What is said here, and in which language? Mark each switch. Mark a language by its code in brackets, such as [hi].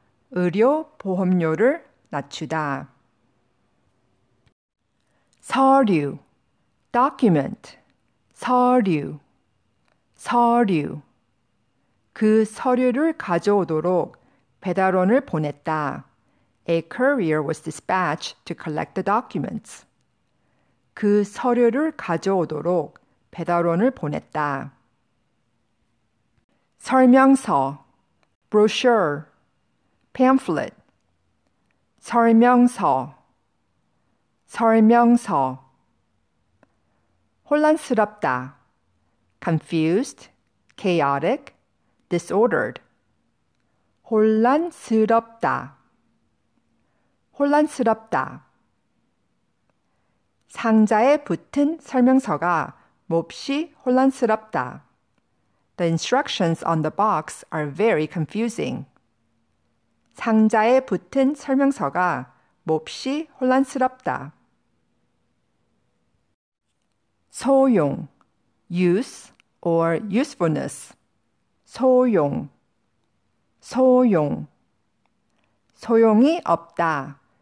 [ko] 의료 보험료를 낮추다. 서류, document. 서류, 서류. 그 서류를 가져오도록 배달원을 보냈다. [en] A courier was dispatched to collect the documents. [ko] 그 서류를 가져오도록 배달원을 보냈다. [en] 설명서, brochure, pamphlet. [ko] 설명서, 설명서. [en] 혼란스럽다, confused, chaotic, disordered. [ko] 혼란스럽다, 혼란스럽다. 상자에 붙은 설명서가 몹시 혼란스럽다. [en] The instructions on the box are very confusing. [ko] 상자에 붙은 설명서가 몹시 혼란스럽다. [en] 소용, use or usefulness. [ko] 소용, 소용. 소용이 없다.